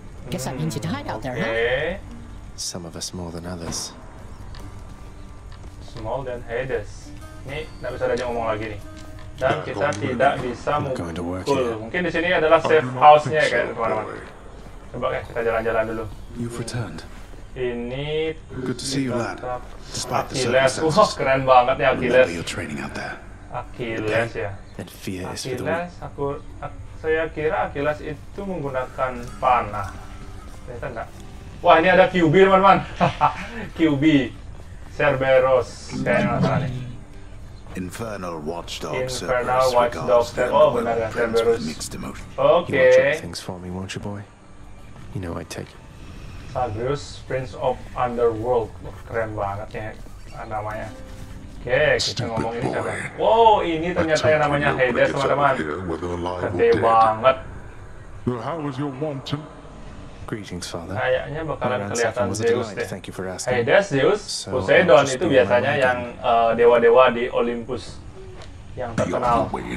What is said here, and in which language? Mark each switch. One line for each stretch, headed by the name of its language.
English: Guess that means you died out there, huh? Some of us more than others. Small than Hades.
Indonesian: Ini nggak bisa diajak ngomong lagi nih. Dan kita tidak bisa mukul. Mungkin di sini adalah safe house-nya kan, teman-teman. Coba ya, kita jalan-jalan dulu.
English: You've returned.
Indonesian: Ini
English: good to see you, lad. Despite the circumstances.
Indonesian: Wah, keren banget ya Achilles.
English: Remember your training out there.
Indonesian: Achilles ya. Achilles, saya kira Achilles itu menggunakan panah. Ternyata enggak. Wah, ini ada QB, teman-teman. QB. Cerberus. Kayaknya masalah nih.
English: Infernal Watchdog. Infernal Watchdog.
Indonesian: Oh, benar ya, Cerberus. Oke. Okay.
English: You watch things for me, won't you, boy? You know I take it. Cerberus, Prince of Underworld.
Indonesian: Wah, keren banget ya namanya. Oke, kita ngomong ini siapa? Wow, ini ternyata yang namanya Hades, teman-teman. Gede banget.
English: Well, how was your wanton? Greetings, Father.
Indonesian: Kayaknya bakalan kelihatan Zeus deh.
English: Thank you for asking.
Indonesian: Hades, Zeus, Poseidon itu biasanya yang dewa-dewa di Olympus yang terkenal.